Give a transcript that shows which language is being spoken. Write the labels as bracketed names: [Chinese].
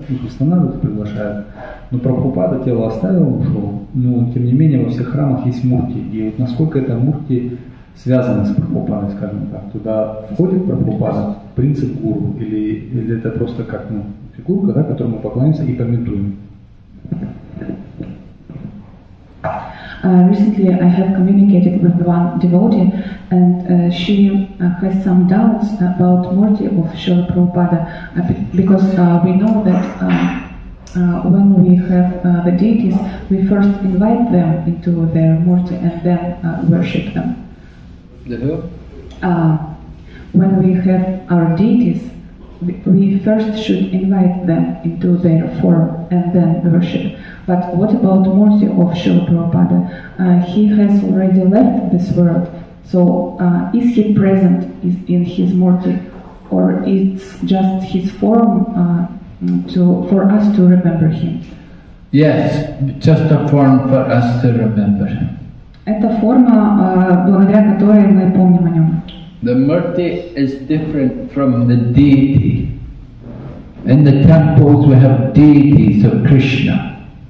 [Russian] Их устанавливают, приглашают. Но Прабхупада тело оставил, ушел. Но тем не менее во всех храмах есть мурти. И вот насколько это мурти связано с Прабхупадой, скажем так. Туда входит Прабхупада, принцип гуру. Или это просто как фигурка, да, которой мы поклоняемся и пометуем. [English] Recently, I have communicated with one devotee, and she has some doubts about Murti of Srila Prabhupada, because we know that when we have the deities, we first invite them into their Murti and then worship them. The who? When we have our deities, we first should invite them into their form and then worship. But what about Murti of Srila Prabhupada? He has already left this world. So is he present in his Murti? Or it's just his form for us to remember him? Yes, just a form for us to remember him. [Russian] Это форма, благодаря которой мы помним о нем. [English] The Murti is different from the deity. In the temples we have deities of Krishna.